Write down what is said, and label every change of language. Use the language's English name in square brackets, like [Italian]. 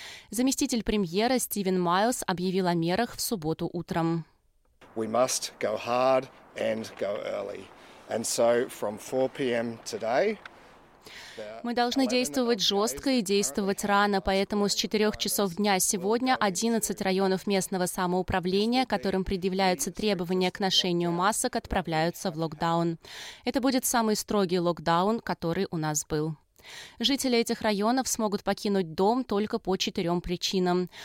[Russian] Заместитель премьера Стивен Майлз объявил о мерах в субботу утром. [English] We must go hard and go early. And so from 4 p.m. today. [Russian] Мы должны действовать жестко и действовать рано, поэтому с 4 часов дня сегодня 11 районов местного самоуправления, которым предъявляются требования к ношению масок, отправляются в локдаун. Это будет самый строгий локдаун, который у нас был. Жители этих районов смогут покинуть дом только по 4 причинам.